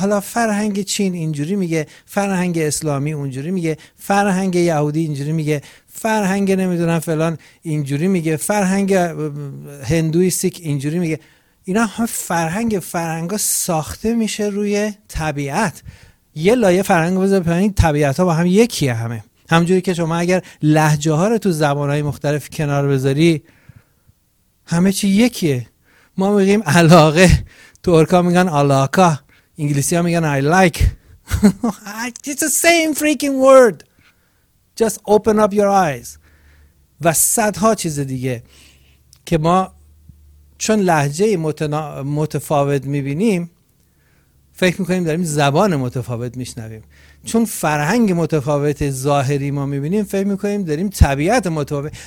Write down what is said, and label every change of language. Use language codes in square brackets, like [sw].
[fa] حالا فرهنگ چین اینجوری میگه، فرهنگ اسلامی اونجوری میگه، فرهنگ یهودی اینجوری میگه، فرهنگ نمیدونم فلان اینجوری میگه، فرهنگ هندوی سیک اینجوری میگه، اینا هم فرهنگ، فرهنگا ساخته میشه روی طبیعت، یه لایه فرهنگ بذار پایین، طبیعت ها با هم یکیه، همه همجوری که شما اگر لهجه ها رو تو زبان های مختلف کنار بذاری همه چی یکیه. ما میگیم علاقه، ترکا میگن علاقه، انگلیسی ها میگن [en] I like. It's the same freaking word. Just open up your eyes. [fa] و صدها چیز دیگه که ما چون لهجه متفاوت میبینیم فکر میکنیم داریم زبان متفاوت میشنویم. چون فرهنگ متفاوت ظاهری ما میبینیم فکر میکنیم داریم طبیعت متفاوت.